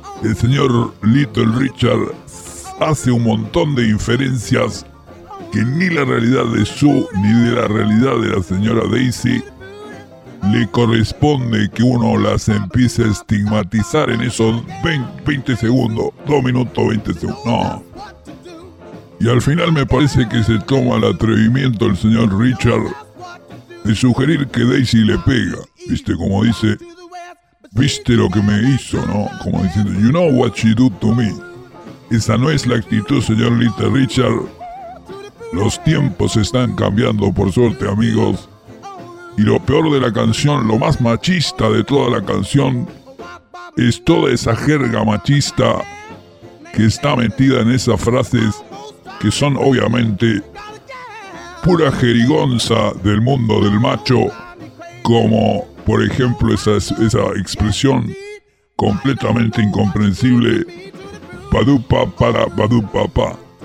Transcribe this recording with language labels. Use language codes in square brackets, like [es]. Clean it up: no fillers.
[es] el señor Little Richard hace un montón de inferencias que ni la realidad de Sue ni de la realidad de la señora Daisy le corresponde que uno las empiece a estigmatizar en esos 20 segundos, 2 minutos, 20 segundos. No. Y al final me parece que se toma el atrevimiento el señor Richard de sugerir que Daisy le pega. ¿Viste? Como dice, ¿viste lo que me hizo, no? Como diciendo, [en] you know what she do to me. [es] Esa no es la actitud, señor Little Richard. Los tiempos están cambiando, por suerte, amigos. Y lo peor de la canción, lo más machista de toda la canción, es toda esa jerga machista que está metida en esas frases que son obviamente pura jerigonza del mundo del macho, como por ejemplo esa expresión completamente incomprensible, padupa para padupapa.